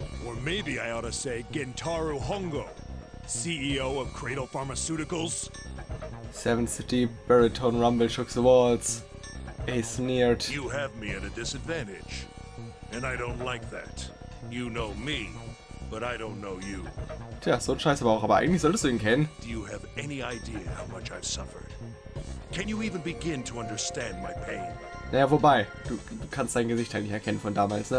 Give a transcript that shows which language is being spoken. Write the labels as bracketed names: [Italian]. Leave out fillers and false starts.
[English] Or maybe I ought to say Gintaro Hongo, CEO of Cradle Pharmaceuticals. Seven City baritone rumble shook the walls. Ace sneered. You have me at a disadvantage, and I don't like that. You know me, but I don't know you. [German] Tja, so ein Scheiß aber auch, aber eigentlich solltest du ihn kennen. [English] Do you have any idea how much I've suffered? Can you even begin to understand my pain? [German] Naja, wobei, du kannst dein Gesicht eigentlich erkennen von damals, ne?